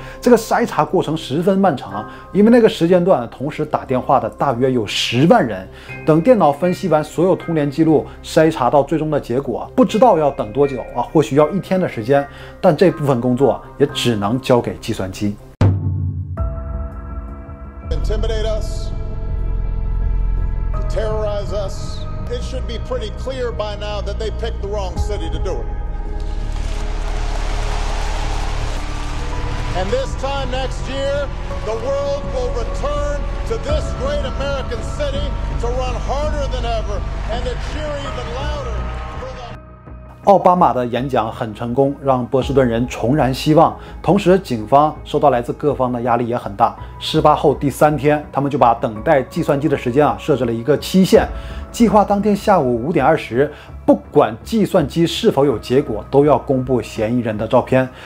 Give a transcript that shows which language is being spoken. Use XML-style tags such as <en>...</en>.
<zh>这个筛查过程十分漫长，因为那个时间段同时打电话的大约有10万人。等电脑分析完所有通联记录，筛查到最终的结果，不知道要等多久啊，或许要一天的时间。但这部分工作也只能交给计算机。</zh> <en>Intimidate us, to terrorize us. It should be pretty clear by now that they picked the wrong city to do it. And this time next year, the world will return to this great American city to run harder than ever and to cheer even louder.</en> <zh>奥巴马的演讲很成功，让波士顿人重燃希望。同时警方受到来自各方的压力也很大。事发后第三天，他们就把等待计算机的时间设置了一个期限，计划当天下午5:20，不管计算机是否有结果，都要公布嫌疑人的照片。</zh>